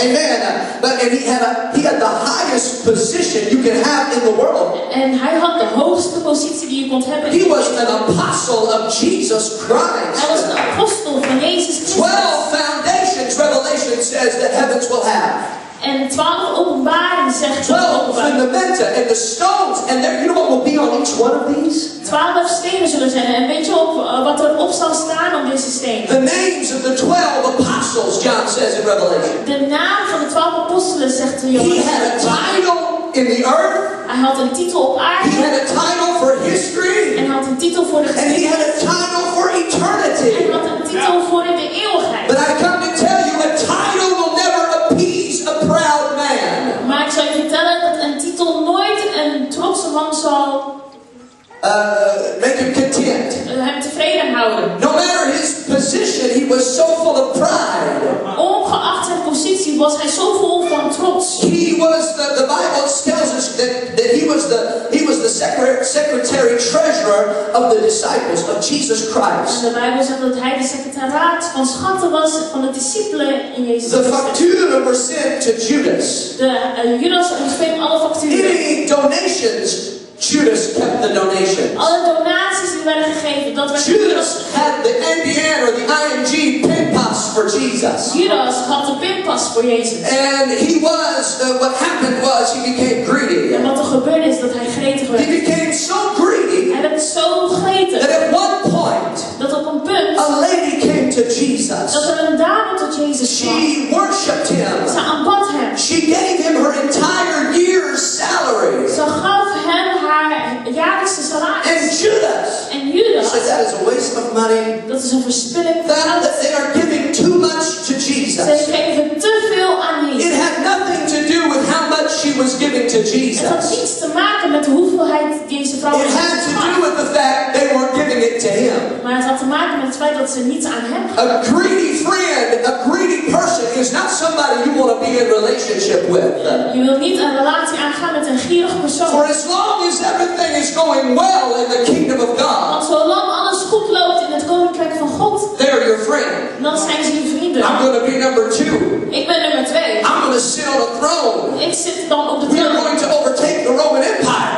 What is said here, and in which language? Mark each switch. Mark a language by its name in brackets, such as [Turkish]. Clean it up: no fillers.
[English] Amen. And he had the highest position you can have in the world. [Dutch] En hij had de hoogste positie die je kon hebben. [English] He was an apostle of Jesus Christ. [Dutch] Hij was een apostel van Jezus Christus. [English] 12 foundations, Revelation says that heavens will have. [Dutch] En 12 openbaren zegt [English] 12 fundamenta and the stones and there, you know what will be on each one of these? [Dutch] 12 stenen zullen zijn en weet je op wat er op zal staan op deze stenen? [English] The names of the 12 apostles, John says in Revelation. [Dutch] De naam van de 12 apostelen zegt de Johannes. [English] He had a title. in the earth. [Dutch] Hij had een titel op aarde. [English] He had a title for history. [Dutch] En had een titel voor de geschiedenis. [English] And he had a title for eternity. [Dutch] En had een titel voor de eeuwigheid. [English] But I come to tell you, a title will never appease a proud man. [Dutch] Maar ik zou je vertellen dat een titel nooit een trotse man zal [English] make him content. [Dutch] Hem tevreden houden. [English] No matter his position, he was so full of pride. [Dutch] Ongeacht zijn positie was hij zo vol van trots. [English] He was the Bible tells us that he was the secretary treasurer of the disciples of Jesus Christ. [Dutch] De Bijbel zegt dat hij de secretaraat van schatten was van de discipelen in Jezus. [English] The facturen were sent to Judas. [Dutch] Judas ontving alle facturen. [English] Any donations. Judas kept the donations. [Dutch] Alle donaties die werden gegeven, dat werd [English] Judas had the NBN or the ING pinpas for Jesus. [Dutch] Judas had de pinpas voor Jezus. [English] And he was what happened was he became greedy. [Dutch] En wat er gebeurde is dat hij gretig werd. [English] He became so greedy. [Dutch] Hij werd zo gretig. [English] That at one point, [Dutch] dat op een punt, [English] a lady came to Jesus. [Dutch] Dat er een dame tot Jezus kwam. [English] She worshipped him. [Dutch] Ze aanbad hem. [English] She gave him her entire year's salary. [Dutch] Ze gaf hem haar jaarlijkse salaris. [English] And Judas. [Dutch] En Judas. [English] Said that is a waste of money. [Dutch] Dat is een verspilling. [English] That they are giving too much to Jesus. [Dutch] Ze geven te veel aan Jezus. [English] It had nothing to do with how much she was giving to Jesus. [Dutch] Het had niets te maken met hoeveelheid deze vrouw had. [English] It had to do with the fact they were giving it to him. [Dutch] Maar het had te maken met het feit dat ze niets aan hem gaven. [English] A greedy friend, a greedy person is not somebody you want to be in relationship with. [Dutch] Je wilt niet een relatie aangaan met een gierige persoon. [English] For as long as everything is going well in the kingdom of God. [Dutch] Want zolang alles goed loopt in het koninkrijk van God. [English] They're your friend. [Dutch] Dan zijn ze je vrienden. [English] I'm going to be number two. [Dutch] Ik ben nummer twee. [English] I'm going to sit on a throne. [Dutch] Ik zit dan op de troon. [English] We're going to overtake the Roman Empire.